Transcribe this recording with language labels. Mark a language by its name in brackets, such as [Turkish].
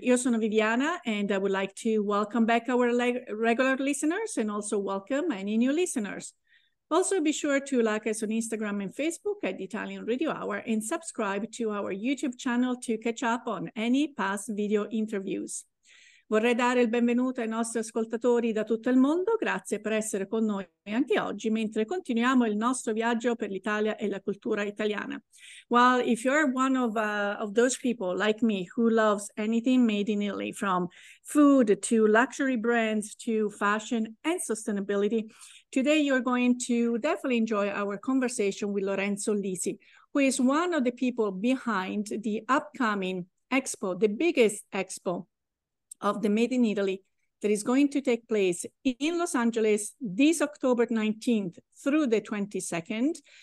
[Italian] Io sono Viviana [English] and I would like to welcome back our regular listeners and also welcome any new listeners. Also be sure to like us on Instagram and Facebook at the Italian Radio Hour and subscribe to our YouTube channel to catch up on any past video interviews. [Italian] Vorrei dare il benvenuto ai nostri ascoltatori da tutto il mondo, grazie per essere con noi anche oggi, mentre continuiamo il nostro viaggio per l'Italia e la cultura italiana. [English] Well, if you're one of those people like me who loves anything made in Italy, from food to luxury brands to fashion and sustainability, today you're going to definitely enjoy our conversation with Lorenzo Lisi, who is one of the people behind the upcoming Expo, the biggest Expo of the Made in Italy that is going to take place in Los Angeles this October 19th through the 22nd.